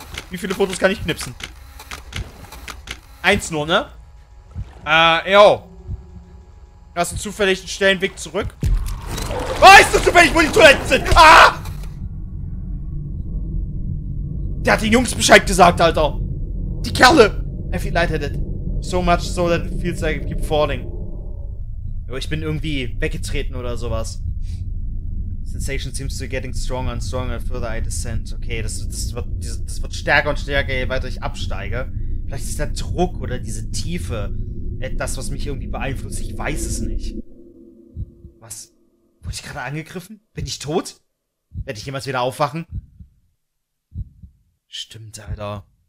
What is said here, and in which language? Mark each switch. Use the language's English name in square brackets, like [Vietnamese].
[German] Wie viele Fotos kann ich knipsen? 1 nur, ne? Yo. Hast du zufällig einen schnellen Weg zurück? Oh, ist das zufällig, wo die Toiletten sind? Ah! Der hat den Jungs Bescheid gesagt, Alter. Die Kerle. [English] I feel lightheaded. So much so that it feels like it keep falling. [German] Aber ich bin irgendwie weggetreten oder sowas. [English] Sensation seems to be getting stronger and stronger further I descend. [German] Okay, das wird stärker und stärker, je weiter ich absteige. Vielleicht ist der Druck oder diese Tiefe etwas, was mich irgendwie beeinflusst. Ich weiß es nicht. Was? Wurde ich gerade angegriffen? Bin ich tot? Werde ich jemals wieder aufwachen? Stimmt, Alter.